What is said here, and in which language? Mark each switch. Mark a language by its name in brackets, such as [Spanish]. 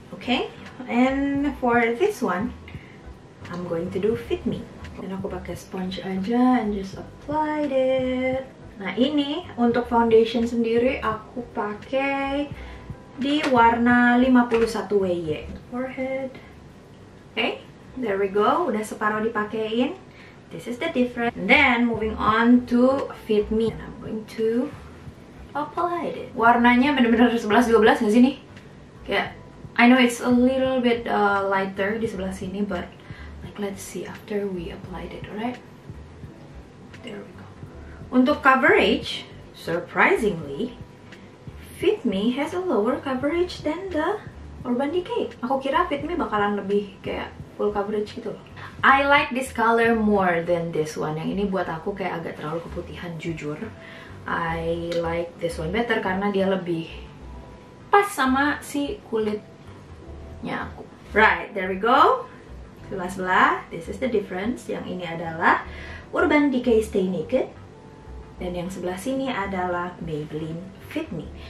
[English] Okay, and for this one, I'm going to do Fit Me. [Indonesian] Dan aku pakai sponge aja [English] and just apply it. [Indonesian] Nah ini untuk foundation sendiri aku pakai di warna 51 WY. [English] Forehead. Okay, there we go. [Indonesian] Udah separuh dipakein. [English] This is the difference. And then moving on to Fit Me. And I'm going to apply it. [Indonesian] Warnanya benar-benar 11-12 nggak sih nih? Kayak, [English] I know it's a little bit lighter [Indonesian] di sebelah sini, [English] but let's see after we applied it, alright? There we go. [Indonesian] Untuk [English] coverage, surprisingly, Fit Me has a lower coverage than the Urban Decay. [Indonesian] Aku kira Fit Me bakalan lebih kayak full coverage gitu loh. [English] I like this color more than this one. [Indonesian] Yang ini buat aku kayak agak terlalu keputihan, jujur. [English] I like this one better [Indonesian] karena dia lebih pas sama si kulitnya aku. [English] Right, there we go. [Indonesian] Sebelah-sebelah, [English] this is the difference. [Indonesian] Yang ini adalah Urban Decay Stay Naked. Dan yang sebelah sini adalah Maybelline Fit Me.